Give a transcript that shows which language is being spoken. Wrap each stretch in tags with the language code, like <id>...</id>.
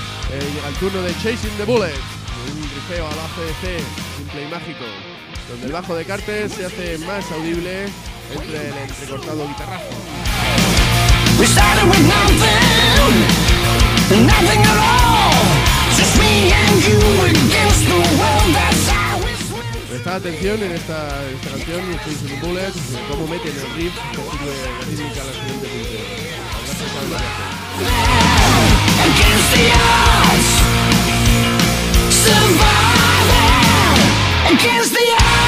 <es>Llega el turno de Chasing the Bullet, un rifeo al ACDC simple y mágico, donde el bajo de Carter se hace más audible entre el entrecortado guitarrazo.</es> <en>We started with nothing, nothing at all, just me and you against the world.</en> <es>Está atención en esta canción, Fish in the Bullet, cómo meten el riff, que sirve la rítmica a la siguiente punta.</es> <en>Against the odds, surviving against the odds.</en>